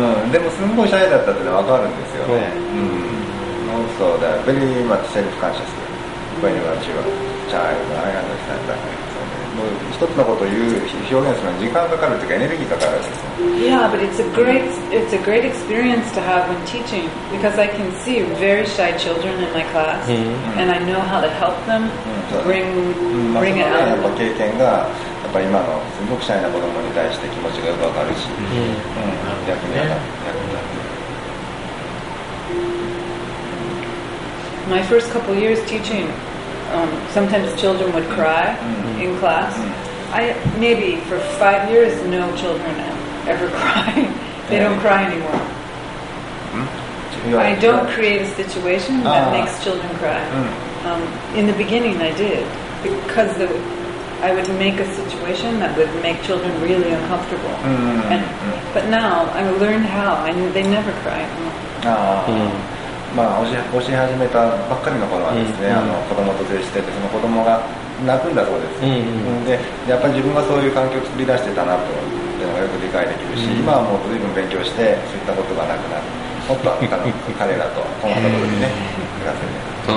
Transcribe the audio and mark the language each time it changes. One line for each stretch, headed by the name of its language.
Japanese: でもすんごいシャイだったってわかるんですよね。うん。そうだ。
English: Very much self-conscious. When you are a child, I understand that.
Japanese: もう一つのことを言う表現するのに時間かかるというかエネルギーかかるんですよ。
English: Yeah, but it's a great experience to have when teaching because I can see very shy children in my class and I know how to help them bring it out.
Japanese: やっぱ経験がやっぱ今のすごくシャイな子供に対して気持ちがよくわかるし、逆に。
English: My first couple of years teaching, sometimes children would cry in class. Maybe for 5 years, no children ever cry. They don't cry anymore. I don't create a situation that makes children cry. In the beginning, I did because I would make a situation that would make children really uncomfortable. But now I learned how, and they never cry anymore.
Japanese: まあ、教え始めたばっかりの頃はですね、子供と接しててその子供が泣くんだそうです、でやっぱり自分がそういう環境を作り出してたなとっていうのがよく理解できるし、今はもう随分勉強してそういったことがなくなるもっと彼らとこのところにね暮らせる